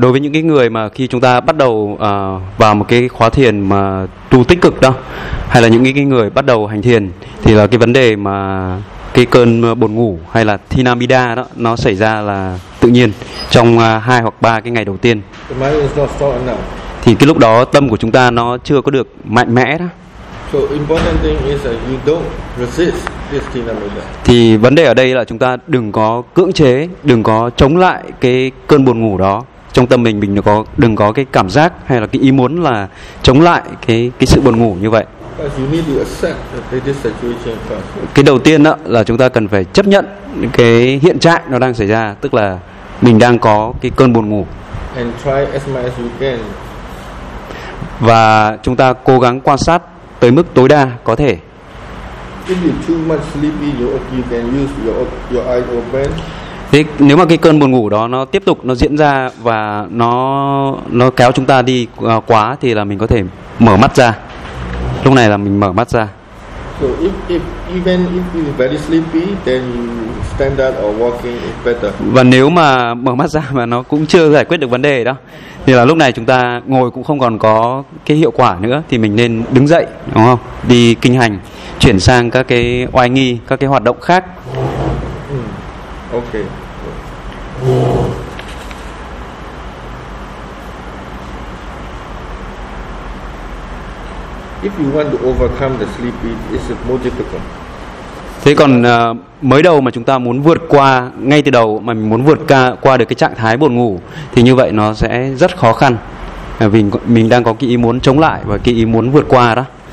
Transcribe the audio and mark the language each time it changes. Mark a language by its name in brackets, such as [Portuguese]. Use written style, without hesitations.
[Vietnamese] Đối với những cái người mà khi chúng ta bắt đầu vào một cái khóa thiền mà tu tích cực đó, hay là những cái người bắt đầu hành thiền, thì là cái vấn đề mà cái cơn buồn ngủ hay là thinamida đó nó xảy ra là tự nhiên trong 2 hoặc 3 cái ngày đầu tiên. [English] The mind is not strong enough. [Vietnamese] Thì cái lúc đó tâm của chúng ta nó chưa có được mạnh mẽ đó. [English] So important thing is that you don't resist this thinamida. [Vietnamese] Thì vấn đề ở đây là chúng ta đừng có cưỡng chế, đừng có chống lại cái cơn buồn ngủ đó. Trong tâm mình đừng có cái cảm giác hay là cái ý muốn là chống lại cái sự buồn ngủ như vậy. [English] You need to accept this situation first. [Vietnamese] Cái đầu tiên đó là chúng ta cần phải chấp nhận cái hiện trạng nó đang xảy ra, tức là mình đang có cái cơn buồn ngủ. [English] And try as much as you can. [Vietnamese] Và chúng ta cố gắng quan sát tới mức tối đa có thể. [English] If you're too much sleepy, you can use your eyes open. [Vietnamese] Thế nếu mà cái cơn buồn ngủ đó nó tiếp tục nó diễn ra và nó kéo chúng ta đi quá thì là mình có thể mở mắt ra. Lúc này là mình mở mắt ra. [English] So if you're very sleepy, then stand up or walking is better. [Vietnamese] Và nếu mà mở mắt ra mà nó cũng chưa giải quyết được vấn đề đó, thì là lúc này chúng ta ngồi cũng không còn có cái hiệu quả nữa, thì mình nên đứng dậy, đúng không? Đi kinh hành, chuyển sang các cái oai nghi, các cái hoạt động khác. [English] Okay. If you want to overcome the sleepy, it's more difficult. [Vietnamese] Thế còn mới đầu mà chúng ta muốn vượt qua ngay từ đầu mà mình muốn vượt qua được cái trạng thái buồn ngủ thì như vậy nó sẽ rất khó khăn. Vì mình đang có cái ý muốn chống lại và cái ý muốn vượt qua đó.